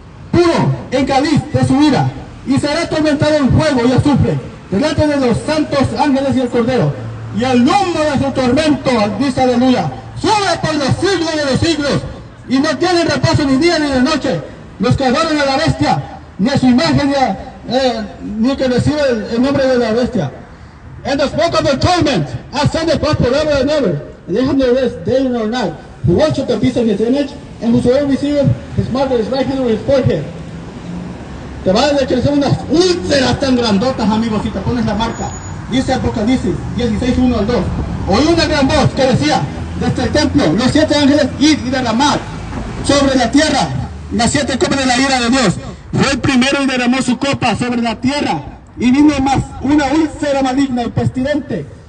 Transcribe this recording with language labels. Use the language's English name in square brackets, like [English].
[Spanish] puro, en cáliz de su ira, y será atormentado en fuego y azufre, delante de los santos ángeles y el cordero, y el humo de su tormento, dice aleluya, sube por los siglos de los siglos, y no tienen reposo ni día ni de noche, los que adoran a la bestia, ni a su imagen, ni que recibe el nombre de la bestia. [English] And the smoke of the torment ascended up forever and ever. And they have no rest day nor night. Who worship the beast of his image, and whosoever receives his mark on his right hand or his forehead. [Spanish] Te van a crecer unas úlceras tan grandotas, amigos, si te pones la marca. Dice Apocalipsis 16:1-2. Oí una gran voz que decía, desde el templo, los siete ángeles, id y derramad sobre la tierra las siete copas de la ira de Dios. Fue el primero y derramó su copa sobre la tierra. Y vino más una úlcera maligna y pestilente,